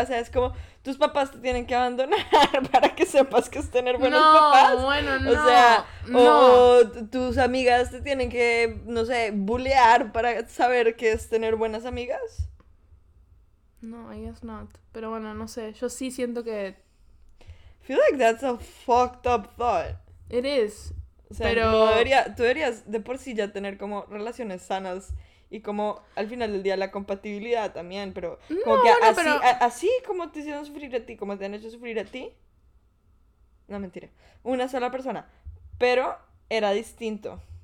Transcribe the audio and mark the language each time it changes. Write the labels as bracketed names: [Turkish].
[Spanish] O sea, es como, tus papás te tienen que abandonar para que sepas que es tener buenos papás. No, bueno, no. O sea, no. Tus amigas te tienen que, no sé, bullear para saber qué es tener buenas amigas. [English] No, I guess not. [Spanish] Pero bueno, no sé, yo sí siento que... [English] I feel like that's a fucked up thought. It is. [Spanish] O sea, pero... tú deberías de por sí ya tener como relaciones sanas y como al final del día la compatibilidad también, pero no, como que bueno, así, pero... así como te hicieron sufrir a ti, como te han hecho sufrir a ti. No, mentira. Una sola persona. Pero era distinto.